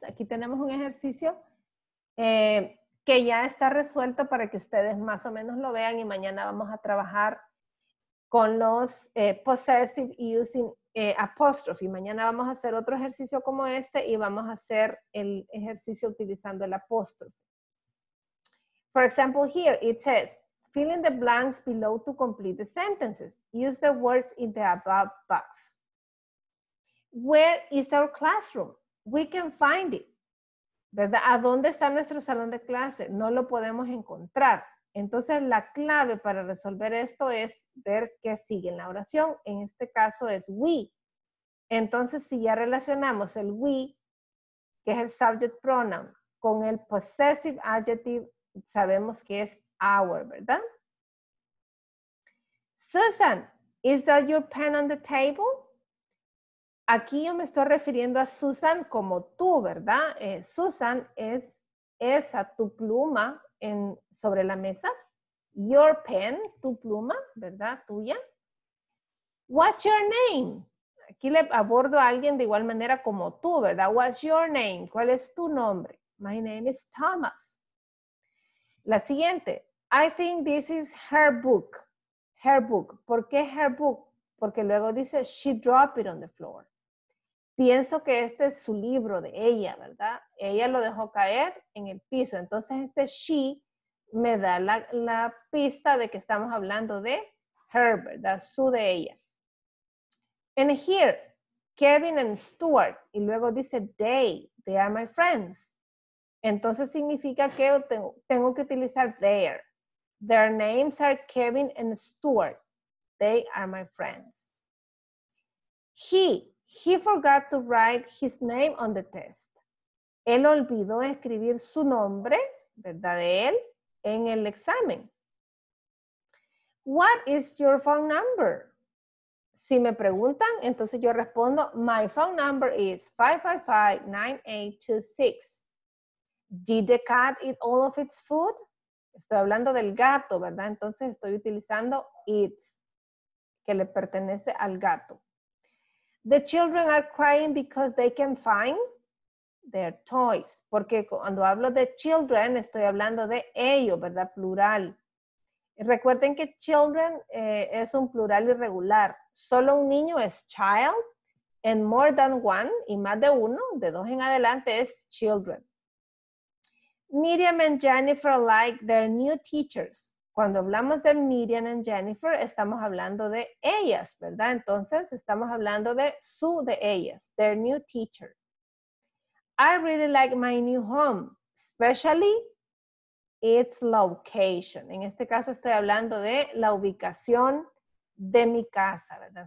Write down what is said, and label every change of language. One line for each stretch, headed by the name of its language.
Spanish: Aquí tenemos un ejercicio que ya está resuelto para que ustedes más o menos lo vean y mañana vamos a trabajar con los possessive y
English: using apostrophe.
Spanish: Mañana vamos a hacer otro ejercicio como este y vamos a hacer el ejercicio utilizando el apóstrofe.
English: For example, here it says, fill in the blanks below to complete the sentences. Use the words in the above box. Where is our classroom? We can find it.
Spanish: ¿Verdad? ¿A dónde está nuestro salón de clase? No lo podemos encontrar. Entonces, la clave para resolver esto es ver qué sigue en la oración. En este caso es we. Entonces, si ya relacionamos el we, que es el subject pronoun, con el possessive adjective, sabemos que es our, ¿verdad?
English: Susan, is that your pen on the table?
Spanish: Aquí yo me estoy refiriendo a Susan como tú, ¿verdad? Susan es esa tu pluma. En, sobre la mesa,
English: your pen,
Spanish: tu pluma, ¿verdad? Tuya.
English: What's your name?
Spanish: Aquí le abordo a alguien de igual manera como tú, ¿verdad?
English: What's your name?
Spanish: ¿Cuál es tu nombre?
English: My name is Thomas.
Spanish: La siguiente,
English: I think this is her book. Her book.
Spanish: ¿Por qué her book? Porque luego dice,
English: she dropped it on the floor.
Spanish: Pienso que este es su libro de ella, ¿verdad? Ella lo dejó caer en el piso. Entonces, este she me da la pista de que estamos hablando de her, ¿verdad? Su de ella.
English: And here, Kevin and Stuart.
Spanish: Y luego dice
English: they are my friends.
Spanish: Entonces, significa que tengo que utilizar their.
English: Their names are Kevin and Stuart. They are my friends. He forgot to write his name on the test.
Spanish: Él olvidó escribir su nombre, ¿verdad? De él, en el examen.
English: What is your phone number?
Spanish: Si me preguntan, entonces yo respondo,
English: my phone number is 555-9826. Did the cat eat all of its food?
Spanish: Estoy hablando del gato, ¿verdad? Entonces estoy utilizando its, que le pertenece al gato.
English: The children are crying because they can't find their toys.
Spanish: Porque cuando hablo de children, estoy hablando de ellos, ¿verdad? Plural. Recuerden que children es un plural irregular. Solo un niño es child,
English: and more than one,
Spanish: y más de uno, de dos en adelante, es children.
English: Miriam and Jennifer like their new teachers.
Spanish: Cuando hablamos de Miriam and Jennifer, estamos hablando de ellas, ¿verdad? Entonces, estamos hablando de su de ellas,
English: their new teacher. I really like my new home, especially its location.
Spanish: En este caso, estoy hablando de la ubicación de mi casa, ¿verdad?